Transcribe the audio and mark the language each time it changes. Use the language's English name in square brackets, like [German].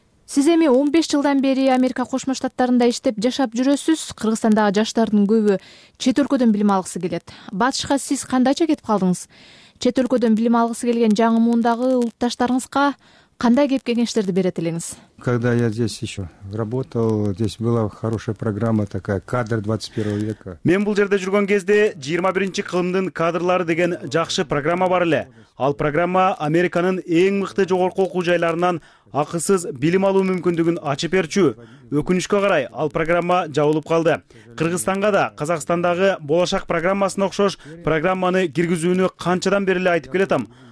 [Kyrgyz] Сиз эми 15 жылдан бери Америка Кошмо Штаттарында иштеп жашап жүрөсүз. Кыргызстандагы жаштардын көбү чет өлкөдөн билим алгысы келет. Батышка сиз кандайча кетип калдыңыз? Чет өлкөдөн билим алгысы келген жаңы муундагы улутташтарыңызга кандай кеп кеңештерди берет элеңиз? [Russian] Когда я здесь еще работал, здесь была хорошая программа такая, кадр 21 века. [Kyrgyz] Мен бул жерде жүргөн кезде 21-чи кылымдын кадрлары деген жакшы программа бар эле. Ал программа Американын эң мыкты жогорку окуу жайларынан акысыз билим алуу мүмкүндүгүн ачып берчү. Өкүнүчкө карай, ал программа жабылып калды. Кыргызстанга да Казакстандагы болашак программасына окшош программаны киргизүүнү канчадан бери эле айтып келетам.